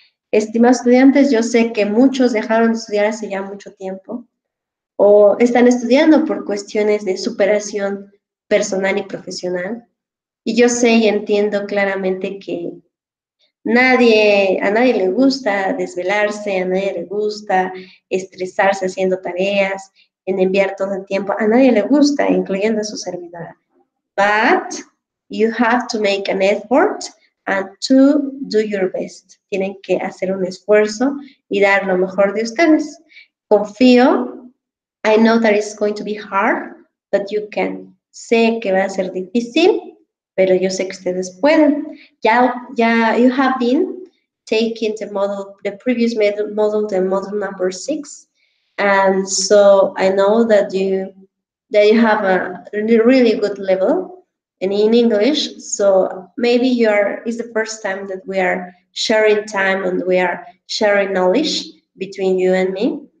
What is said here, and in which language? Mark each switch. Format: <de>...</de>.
<es>Estimados estudiantes, yo sé que muchos dejaron de estudiar hace ya mucho tiempo o están estudiando por cuestiones de superación personal y profesional. Y yo sé y entiendo claramente que a nadie le gusta desvelarse, a nadie le gusta estresarse haciendo tareas, en enviar todo el tiempo, a nadie le gusta, incluyendo a su servidora.</es> <en>But you have to make an effort and to do your best.</en> <es>Tienen que hacer un esfuerzo y dar lo mejor de ustedes.</es> <en>Confío, I know that it's going to be hard, but you can.</en> <es>Sé que va a ser difícil, pero yo sé que ustedes pueden.</es> <en>Ya, you have been taking the module number 6, And so I know that you have a really good level and in English. So maybe it's the first time that we are sharing time and we are sharing knowledge between you and me.</en>